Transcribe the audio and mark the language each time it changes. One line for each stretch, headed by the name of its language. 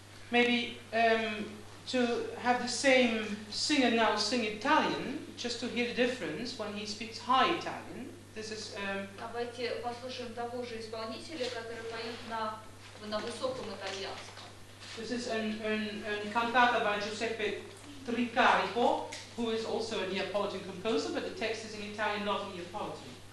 English: Maybe to have the same singer now sing Italian, just to hear the difference when he speaks high Italian. This is.
Russian: Давайте послушаем того же исполнителя, который поет на высоком итальянском.
English: This is an cantata by Giuseppe Tricarico, who is also a Neapolitan composer, but the text is in Italian, not Neapolitan.